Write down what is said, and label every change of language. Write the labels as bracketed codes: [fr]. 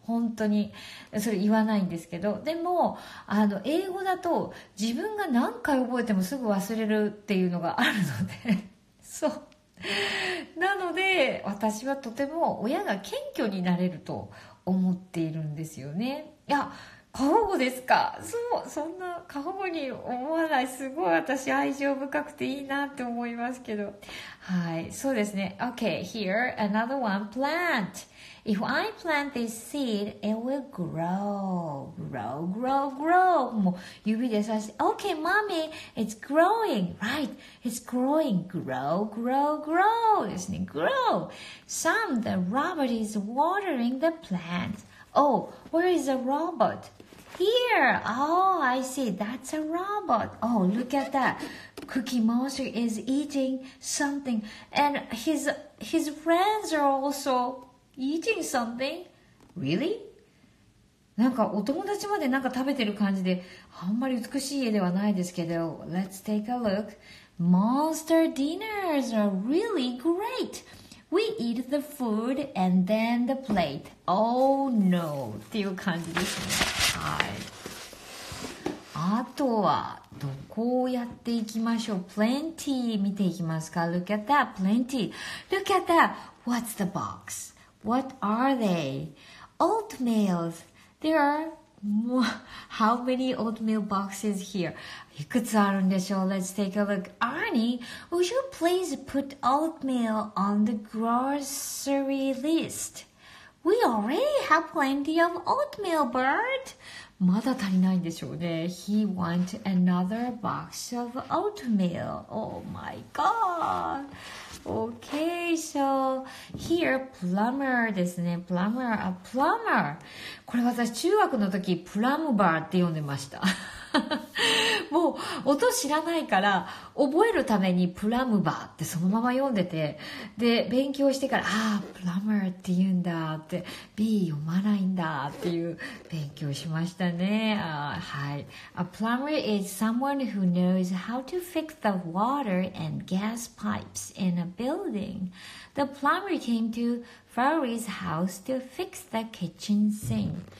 [ja] 本当にそれ言わないんですけど、でも英語だと自分が何回覚えてもすぐ忘れるっていうのがあるのでそう、なので私はとても親が謙虚になれると思っているんですよね。いや、過保護ですか。そんな過保護に思わない、すごい私愛情深くていいなって思いますけど、はい、そうですね。 [en] OK, here another one. Plant. If I plant this seed, it will grow. [ja] もう指で刺して [en] OK, mommy, it's growing, right? It's growing. Grow [ja] ですね。 [en] Grow. Sam, the robot is watering the plant. Oh, where is the robot? Here! Oh, I see. That's a robot. Oh, look at that. Cookie Monster is eating something. And his friends are also eating something. Really? [ja] なんかお友達までなんか食べてる感じで、あんまり美しい絵ではないですけど。 [en] Let's take a look. Monster dinners are really great. We eat the food and then the plate. Oh no! [ja] っていう感じですね。はい。あとは、どこをやっていきましょう。 [en] Plenty [ja] 見ていきますか。 [en] Look at that, plenty. Look at that! What's the box? What are they? Oatmeals. There are more. How many oatmeal boxes here? [ja] いくつあるんでしょう。 [en] Let's take a look. Arnie, would you please put oatmeal on the grocery list? We already have plenty of oatmeal, Bert. [ja] まだ足りないんでしょうね。 [en] He wants another box of oatmeal. Oh my god. Okay, so here, plumber [ja] ですね。 [en] Plumber, a plumber. [ja] これ私中学の時プラムバーって呼んでましたもう音知らないから覚えるためにプラムバーってそのまま読んでて、で勉強してからああプラムーって言うんだって、 B 読まないんだっていう勉強しましたね。 [en] はい、 A plumber is someone who knows how to fix the water and gas pipes in a building. The plumber came to Farley's house to fix the kitchen sink.